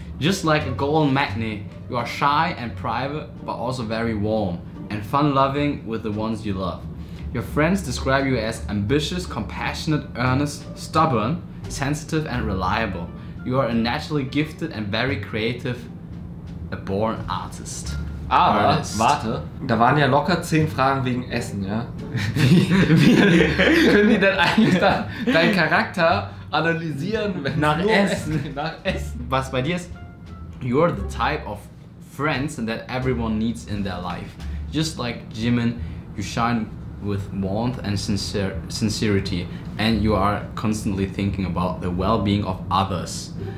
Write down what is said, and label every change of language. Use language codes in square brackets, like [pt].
[en] Just like a golden magnet, you are shy and private, but also very warm and fun-loving with the ones you love. Your friends describe you as ambitious, compassionate, earnest, stubborn, sensitive, and reliable. You are a naturally gifted and very creative, a born artist. [de] Aber, warte, da waren ja locker 10 Fragen wegen Essen, ja? Wie können die denn eigentlich da deinen Charakter analysieren, wenn nach nur Essen? Essen? Nach Essen. Was bei dir ist, [en] you're the type of friends that everyone needs in their life. Just like Jimin, you shine with warmth and sincerity, and you are constantly thinking about the well-being of others.